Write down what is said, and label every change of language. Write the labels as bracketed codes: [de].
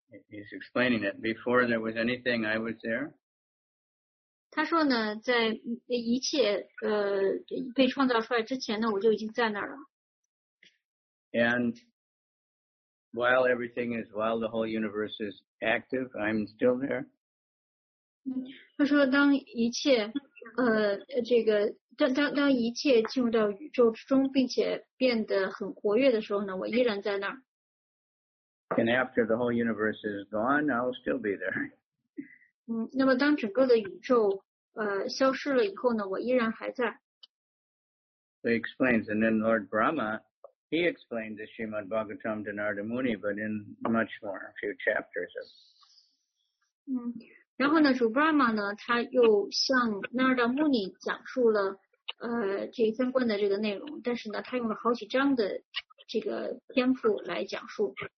[en] He's explaining that before there was anything, I was there. [zh] 他说呢，在一切被创造出来之前呢，我就已经在那儿了。 [en] And while everything is, while the whole universe is active, I'm still there. [zh] 他说当一切这个当一切进入到宇宙之中并且变得很活跃的时候呢我依然在那儿。 [en] And after the whole universe is gone, I'll still be there. [zh] 那么当整个的宇宙消失了以后呢我依然还在。 [en] He explains, and then Lord Brahma, he explains the Srimad Bhagavatam to Narada Muni, but in much more, a few chapters of. [zh] 然后呢主 Brahma 呢他又向 Narada Muni 讲述了这相关的这个内容但是呢他用了好几章的这个篇幅来讲述。